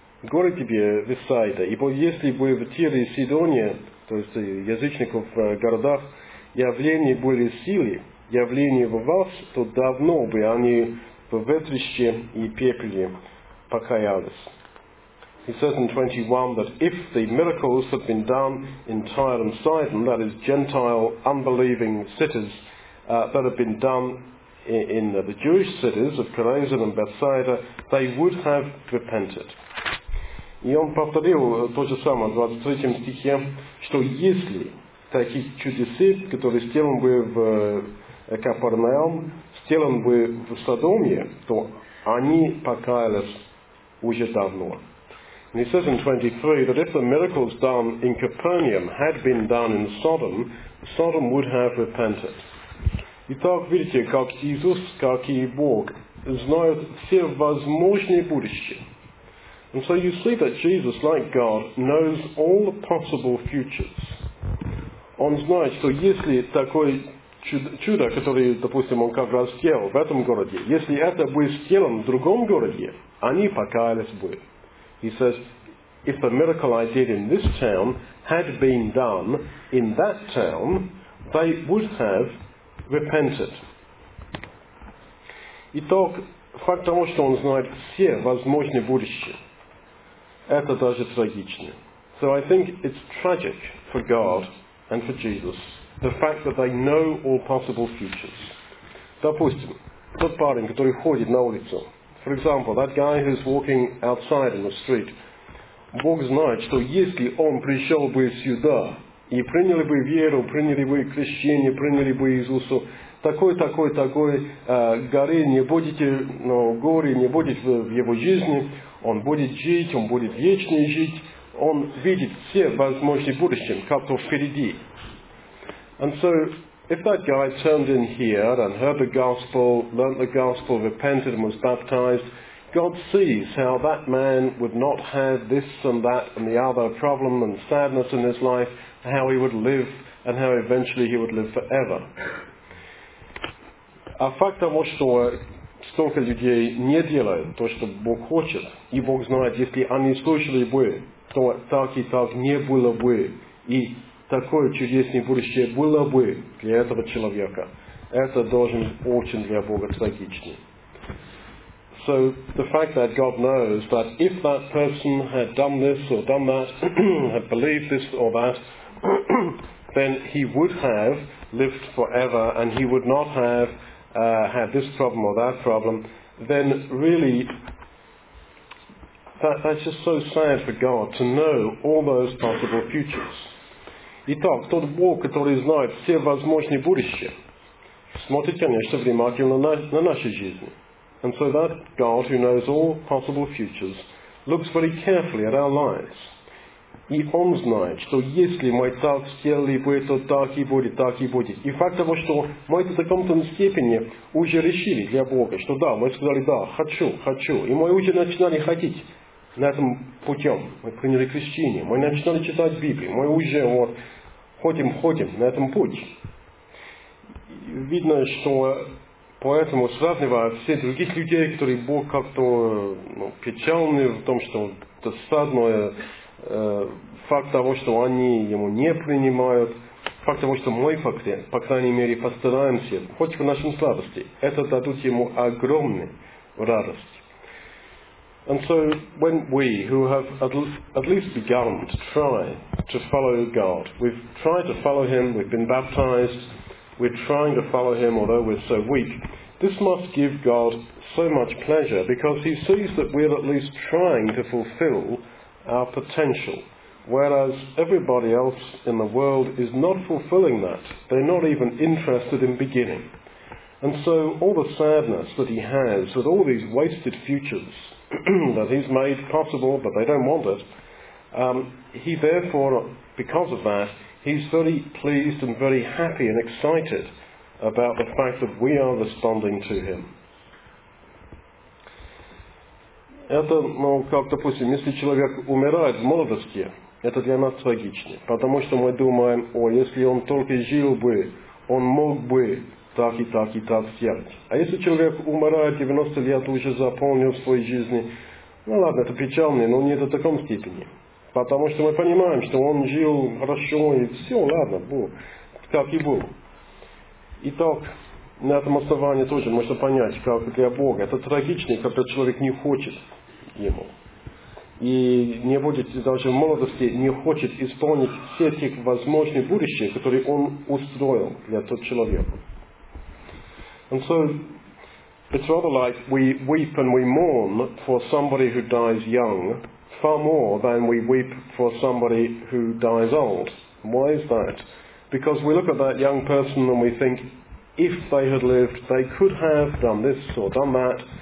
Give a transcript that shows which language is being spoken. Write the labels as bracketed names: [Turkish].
[Russian] Горе тебе, Весайда, ибо если бы в Тире и Сидоне, то есть язычников в городах, явления были силы, явления в вас, то давно бы они в ветрище и пепле покаялись. [English] He says in 21 that if the miracles had been done in Tyre and Sidon, that is Gentile unbelieving cities, that had been done in the Jewish cities of Chorazin and Bethsaida, they would have repented. [Russian] И он повторил то же самое в 23 стихе, что если такие чудеса, которые сделаны бы в Капернаум, сделаны бы в Содоме, то они покаялись уже давно. [English] And he says in 23 that if the miracles done in Capernaum had been done in Sodom, Sodom would have repented. [Russian] Итак, видите, как Иисус, как и Бог, знают все возможные будущие. [English] And so you see that Jesus, like God, knows all the possible futures. [Russian] Он знает, что если такое чудо, которое, допустим, он как раз сделал в этом городе, если это будет сделано в другом городе, они покаялись бы. [English] He says, if the miracle I did in this town had been done in that town, they would have repented. [Russian] Итак, факт того, что он знает все возможные будущие, это даже трагично. [English] So I think it's tragic for God and for Jesus, the fact that they know all possible futures. [Russian] Допустим, тот парень, который ходит на улицу, [English] for example, that guy who's walking outside in the street, [Russian] Бог знает, что если он пришел бы сюда и приняли бы веру, приняли бы крещение, приняли бы Иисуса, такой горе не будете, но горе не будет в его жизни, он будет жить, он будет вечно жить, он видит все возможные будущие, как-то впереди. [English] And so, if that guy turned in here and heard the gospel, learnt the gospel, repented and was baptized, God sees how that man would not have this and that and the other problem and sadness in his life, how he would live and how eventually he would live forever. [Russian] А факт того, что столько людей не делают то, что Бог хочет, и Бог знает, если они слушали бы, то так и так не было бы, и такое чудесное будущее было бы для этого человека. Это должен быть очень для Бога трагичный. [English] So, the fact that God knows that if that person had done this or done that, had believed this or that, then he would have lived forever and he would not have had this problem or that problem, then really, that's just so sad for God to know all those possible futures. [Russian] Итак, тот Бог, который знает все возможные будущие, смотрит, конечно, внимательно на нашу жизнь. [English] And so that God, who knows all possible futures, looks very carefully at our lives. [Russian] И он знает, что если мы так сделали бы, то так и будет, так и будет. И факт того, что мы в каком-то степени уже решили для Бога, что да, мы сказали да, хочу, хочу. И мы уже начинали ходить на этом путем. Мы приняли крещение, мы начинали читать Библию, мы уже вот ходим на этом пути. Видно, что поэтому сравнивая все других людей, которые Бог как-то печальны в том, что досадно, факт того, что они ему не принимают, факт того, что мы, по крайней мере, постараемся, хоть в нашем слабости, это дадут ему огромную радость. [English] And so, when we, who have at least begun to try to follow God, we've tried to follow Him, we've been baptized, we're trying to follow Him, although we're so weak, this must give God so much pleasure, because He sees that we're at least trying to fulfill our potential, whereas everybody else in the world is not fulfilling that. They're not even interested in beginning. And so all the sadness that he has with all these wasted futures that he's made possible, but they don't want it, he therefore, because of that, he's very pleased and very happy and excited about the fact that we are responding to him. [Russian] Это, ну, как, допустим, если человек умирает в молодости, это для нас трагичнее, потому что мы думаем, о, если он только жил бы, он мог бы так и так и так сделать. А если человек умирает 90 лет, уже заполнил свою жизнь, ну ладно, это печально, но не до таком степени. Потому что мы понимаем, что он жил хорошо, и все, ладно, было, как и было. Итак, на этом основании тоже можно понять, как для Бога. Это трагичнее, когда человек не хочет ему. и не будет даже в молодости, не хочет исполнить все эти возможные будущие, которые он устроил для того человека. [English] And so, it's rather like we weep and we mourn for somebody who dies young, far more than we weep for somebody who dies old. Why is that? Because we look at that young person and we think, if they had lived, they could have done this or done that.